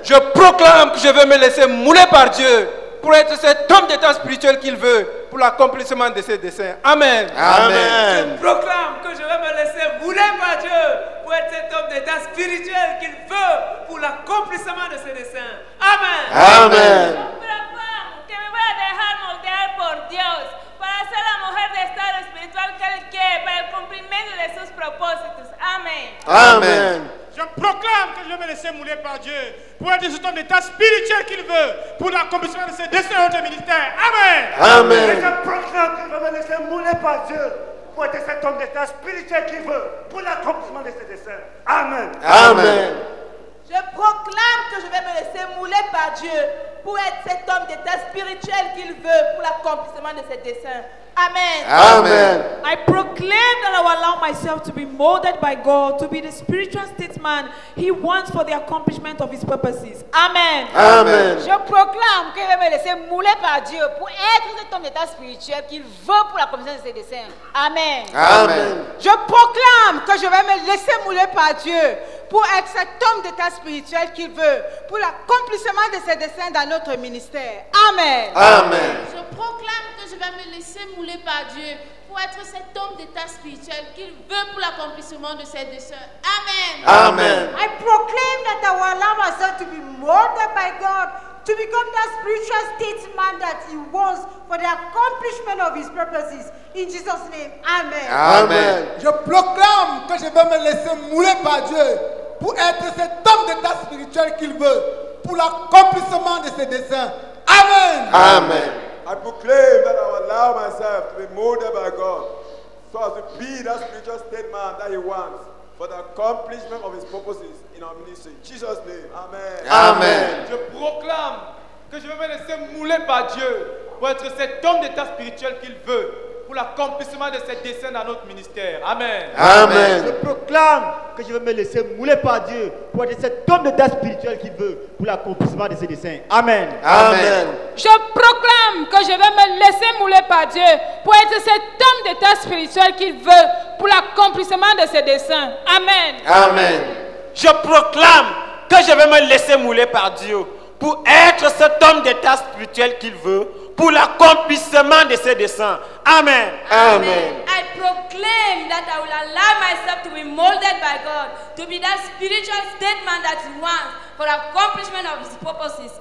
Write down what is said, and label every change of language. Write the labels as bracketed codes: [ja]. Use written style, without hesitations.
[fr] Je proclame que je vais me laisser mouler par Dieu pour être cet homme d'état spirituel qu'il veut pour l'accomplissement de ses desseins. Amen. Amen. Je proclame que je vais me laisser mouler par Dieu pour être cet homme d'état spirituel qu'il veut pour l'accomplissement de ses desseins. Amen. Amen. Je proclame que je vais [es] dejar moldear por Dios para ser la mujer de estado espiritual que él quiere para el cumplimiento de sus propósitos. Amen. Amen. [fr] Je proclame que je vais me laisser mouler par Dieu pour être cet homme d'état spirituel qu'il veut pour l'accomplissement de ses desseins dans le ministère. Amen. Amen. Et je proclame que je vais me laisser mouler par Dieu pour être cet homme d'état spirituel qu'il veut pour l'accomplissement de ses desseins. Amen. Amen. Je proclame que je vais me laisser mouler par Dieu pour être cet homme d'état spirituel qu'il veut pour l'accomplissement de ses desseins. Amen. Amen. [en] I proclaim that I will allow myself to be molded by God to be the spiritual statesman he wants for the accomplishment of his purposes. Amen. Amen. [fr] Je proclame que je vais me laisser mouler par Dieu pour être cet homme d'état spirituel qu'il veut pour l'accomplissement de ses desseins. Amen. Amen. Je proclame que je vais me laisser mouler par Dieu pour être cet homme d'état spirituel qu'il veut pour l'accomplissement de ses desseins dans notre ministère. Amen. Amen. Je proclame que je vais me laisser mouler par Dieu pour être cet homme d'état spirituel qu'il veut pour l'accomplissement de ses desseins. Amen. Amen. [en] I proclaim that I will allow myself to be molded by God to become that spiritual statesman that he wants for the accomplishment of his purposes. In Jesus' name, amen. Amen. [fr] Je proclame que je vais me laisser mouler par Dieu pour être cet homme d'état spirituel qu'il veut pour l'accomplissement de ses desseins. Amen. Amen. [en] I proclaim that I will allow myself to be molded by God so as to be that spiritual statesman that he wants for the accomplishment of his purposes in our ministry. In Jesus' name, amen. Amen. [fr] Je proclame que je vais me laisser mouler par Dieu pour être cet homme d'état spirituel qu'il veut pour l'accomplissement de ses desseins dans notre ministère. Amen. Amen. Je proclame que je vais me laisser mouler par Dieu pour être cet homme d'état spirituel qu'il veut pour l'accomplissement de ses desseins. Amen. Amen. Je proclame que je vais me laisser mouler par Dieu pour être cet homme d'état spirituel qu'il veut pour l'accomplissement de ses desseins. Amen. Amen. Je proclame que je vais me laisser mouler par Dieu pour être cet homme d'état spirituel qu'il veut pour l'accomplissement de ses desseins. Amen. Amen. [en] I proclaim that I will allow myself to be molded by God to be that spiritual statement that he wants for the accomplishment of his purposes.